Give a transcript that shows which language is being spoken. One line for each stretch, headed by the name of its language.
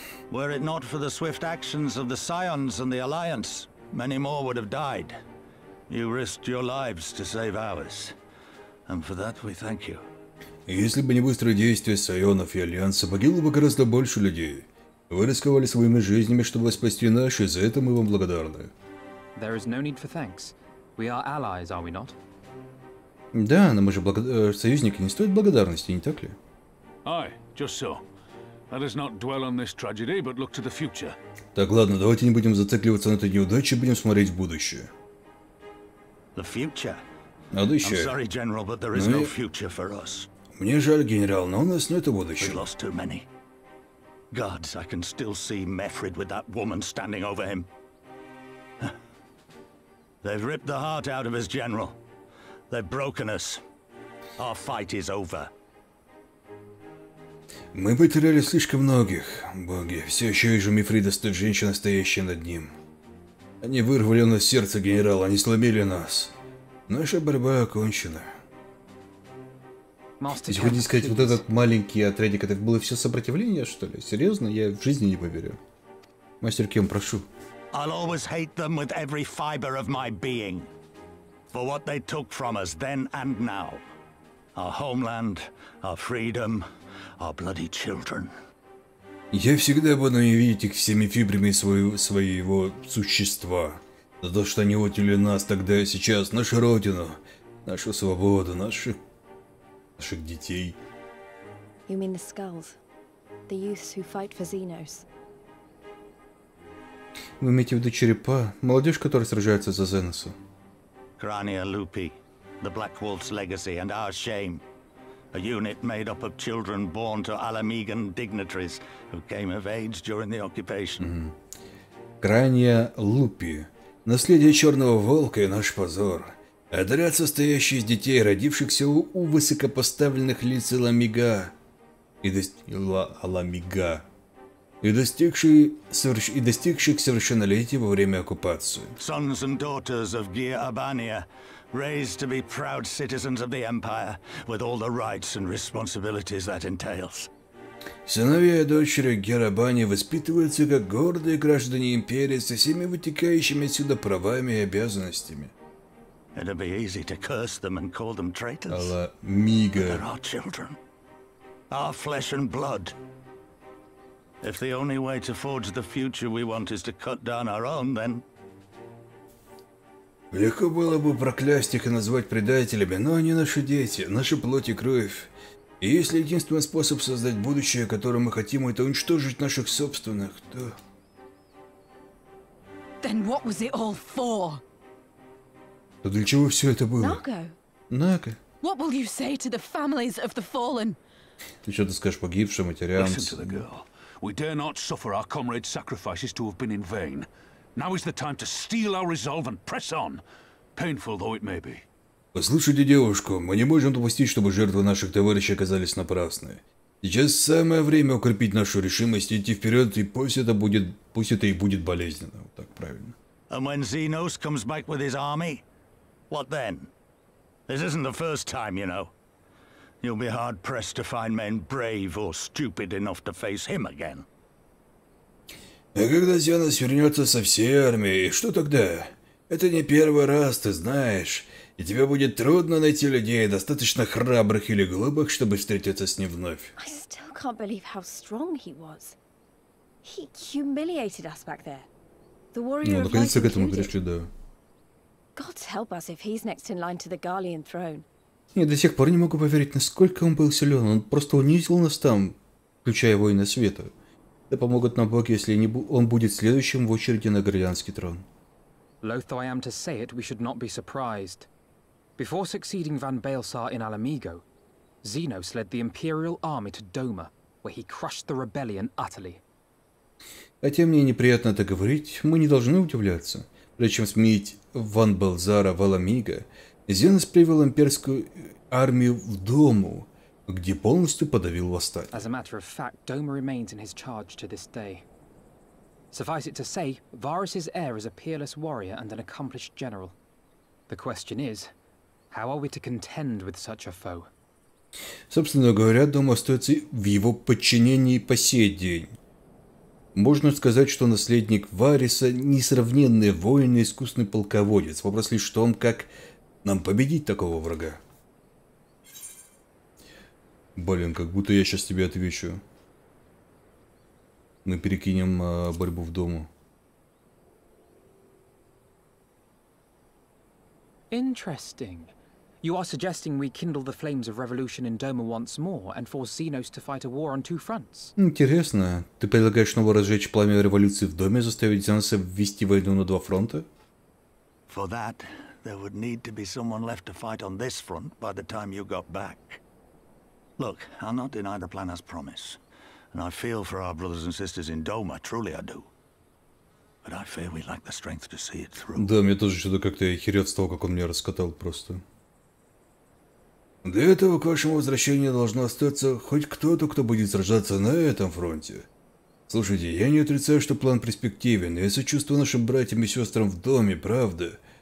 English: Were it not for the swift actions of the Scions and the Alliance, many more would have died. You risked your lives to save ours, and for that we thank you.
Russian: Если бы не быстрые действия Сайонов и Альянса, погибло бы гораздо больше людей. Вы рисковали своими жизнями, чтобы спасти наши, за это мы вам благодарны.
English: There is no need for thanks. We are allies, are we not?
Russian: Да, но мы же союзники, не стоит благодарности, не так ли?
English: Aye, just so. Let us not dwell on this tragedy, but look to the future.
Russian: Так, ладно, давайте не будем зацикливаться на этой неудаче, будем смотреть в будущее.
English: The future.
Russian: Надо еще.
English: I'm sorry, General, but there is no future for us.
Russian: Мне жаль, генерал, но у нас нет будущего.
English: We lost too many. Gods, I can still see Mefred with that woman standing over him. They've ripped the heart out of his general. They've broken us. Our fight is over.
Russian: Мы потеряли слишком многих, боги. Все еще вижу Мефрида с той женщиной, стоящей над ним. Они вырвали у нас сердце, генерал, они сломили нас. Наша борьба окончена. Если хоть сказать, вот этот маленький отрядик, это было все сопротивление, что ли? Серьезно? Я в жизни не поверю. Мастер Кем, прошу.
English: I'll always hate them with every fiber of my being. For what they took from us then and now. Our homeland, our freedom, our bloody children.
Russian: Я всегда буду видеть их всеми фибрами своего существа. За то, что они отняли нас тогда и сейчас, нашу родину, нашу свободу, наших детей.
English: You mean the skulls? The youths who fight for Xenos.
Russian: Вы имеете в виду черепа, молодежь, которая сражается за Зеноса.
English: Крания Лупи, the Black Wolf's legacy and our shame. A unit made up of children born to Alamegan dignitaries who came of age during the occupation.
Russian: Крания Лупи. Наследие Черного Волка и наш позор. Отряд, состоящий из детей, родившихся у высокопоставленных лиц Ламига и достигших совершеннолетия во время оккупации.
English: Sons and daughters of Gia Abania. Raised to be proud citizens of the Empire, with all the rights and responsibilities that entails.
Russian: Сыновья и дочери Герабани воспитываются как гордые граждане Империи со всеми вытекающими отсюда правами и обязанностями.
English: It'd be easy to curse them and call them traitors.
Russian: Алла Мига.
English: They're our children. Our flesh and blood. If the only way to forge the future we want is to cut down our own, then...
Russian: Легко было бы проклясть их и назвать предателями, но они наши дети, наша плоть и кровь. И если единственный способ создать будущее, которое мы хотим, это уничтожить наших собственных, то...
English: Then what was it all for?
Russian: То для чего все это было? Нако? Нако?
English: What will you say to the families of the fallen?
Russian: Ты что ты скажешь погибшим, матерям?
English: Listen to the girl. We dare not suffer our comrades' sacrifices to have been in vain. Now is the time to steel our resolve and press on, painful though it may be.
Russian: Послушайте, девушку, мы не можем допустить, чтобы жертвы наших товарищей оказались напрасны. Сейчас самое время укрепить нашу решимость идти вперед, и пусть это и будет болезненно. Вот так правильно.
English: And when Xenos comes back with his army, what then? This isn't the first time, you know. You'll be hard pressed to find men brave or stupid enough to face him again.
Russian: А когда Зенос вернется со всей армией, что тогда? Это не первый раз, ты знаешь, и тебе будет трудно найти людей, достаточно храбрых или глупых, чтобы встретиться с ним вновь.
English: I still can't believe how strong he was. He humiliated us back there. The warrior of light included.
Russian: Ну, наконец-то к этому пришли, да.
English: God help us if he's next in line to the Garlean throne.
Russian: Я до сих пор не могу поверить, насколько он был силен, он просто унизил нас там, включая воина света. Да помогут нам боги, если он будет следующим в очереди на Гордианский трон.
English: Loath I am to say it, we should not be surprised. Before succeeding Van Baelsar in Alamigo, Xenos led the Imperial army to Doma, where he crushed the rebellion utterly.
Russian: Хотя мне неприятно это говорить, мы не должны удивляться. Прежде чем сменить Ван Белзара в Аламига, Зенос привел имперскую армию в Дому, где полностью подавил восстание.
English: As a matter of fact, Doma remains in his charge to this day. Suffice it to say, Varus's heir is a peerless warrior and an accomplished general. The question is, how are we to contend with such a foe?
Russian: Собственно говоря, Дом остается в его подчинении по сей день. Можно сказать, что наследник Вариса – несравненный воин и искусный полководец. Вопрос лишь в том, как нам победить такого врага. Блин, как будто я сейчас тебе отвечу. Мы перекинем борьбу в Дому.
English: Interesting. You are suggesting we kindle the flames of revolution in Doma once more and force Zenos to fight a war on two fronts.
Russian: Интересно, ты предлагаешь снова разжечь пламя революции в Доме и заставить Зеноса ввести войну на два фронта?
English: For that, there would need to be someone left to fight on this front by the time you got back. Look, I'll not deny the plan has promise, and I feel for our brothers and sisters in Doma, truly I do. But I fear we lack the strength to see it through.
Russian: Да, мне тоже что-то как-то охерел с того, как он меня раскатал просто. Для этого к вашему возвращению должно остаться хоть кто-то, кто будет сражаться на этом фронте. Слушайте, я не отрицаю, что план перспективен, я сочувствую нашим братьям и сестрам в Доме, правда?